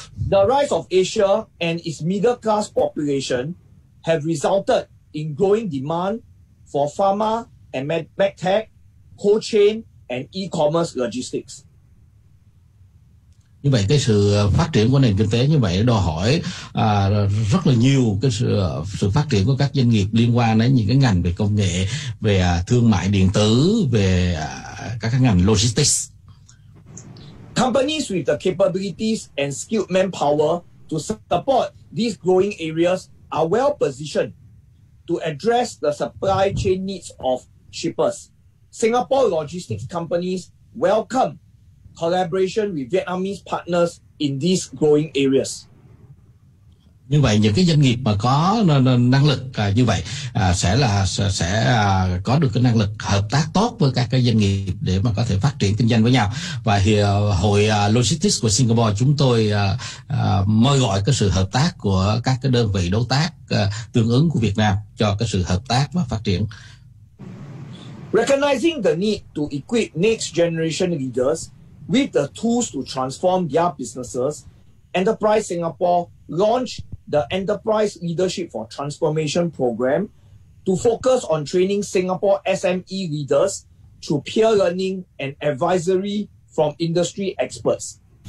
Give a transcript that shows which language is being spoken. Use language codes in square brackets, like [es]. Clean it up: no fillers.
[en] The rise of Asia and its middle class population have resulted in growing demand for pharma and medtech, cold chain and e-commerce logistics. [vi] Như vậy cái sự phát triển của nền kinh tế như vậy đòi hỏi rất là nhiều cái sự phát triển của các doanh nghiệp liên quan đến những cái ngành về công nghệ, về thương mại điện tử, về các ngành logistics. [en] Companies with the capabilities and skilled manpower to support these growing areas are well positioned to address the supply chain needs of shippers. Singapore logistics companies welcome collaboration with Vietnamese partners in these growing areas. [vi] Như vậy những cái doanh nghiệp mà có năng lực như vậy sẽ có được cái năng lực hợp tác tốt với các cái doanh nghiệp để mà có thể phát triển kinh doanh với nhau. Và hội logistics của Singapore chúng tôi mời gọi cái sự hợp tác của các cái đơn vị đối tác tương ứng của Việt Nam cho cái sự hợp tác và phát triển. [en] Recognizing the need to equip next generation leaders with the tools to transform their businesses, Enterprise Singapore launched the Enterprise Leadership for Transformation program to focus on training Singapore SME leaders through peer learning and advisory from industry experts.